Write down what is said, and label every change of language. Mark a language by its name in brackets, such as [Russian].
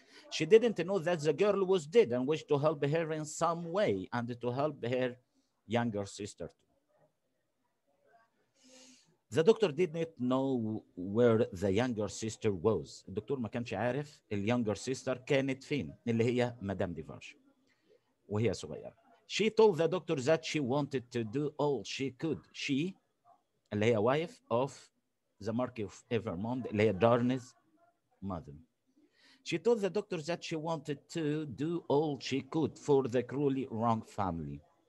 [English] She didn't know that the girl was dead and wished to help her in some way and to help her younger sister too. The doctor did not know where the younger sister was. [Arabic] الدكتور ما كانش عارف ال [English] younger sister [Arabic] كانت فين اللي هي مدام ديفارش وهي صغيرة. [English] She told the doctor that she wanted to do all she could. She [Arabic] اللي هي [English] wife of the Marquis of Evermont اللي هي Darnay's mother. She told the doctor that she wanted to do all she could for the cruelly wrong family.